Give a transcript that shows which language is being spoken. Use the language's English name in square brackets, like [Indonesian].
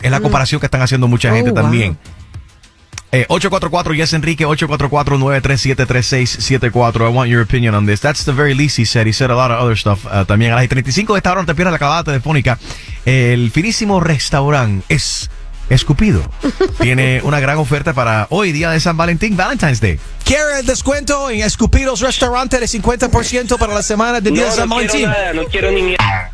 [Spanish] Es la comparación que están haciendo mucha gente también. [English] 844 Yes Enrique, 844-937-3674. I want your opinion on this. That's the very least he said. He said a lot of other stuff también. [Spanish] A las 35 de esta hora, no te pierdas la acabada telefónica. El finísimo restaurante es Escupido. Tiene una gran oferta para hoy, día de San Valentín, Valentine's Day. ¿Quiere el descuento en Escupidos Restaurante de 50% para la semana de día de San Valentín? No, quiero nada, no quiero ni mierda.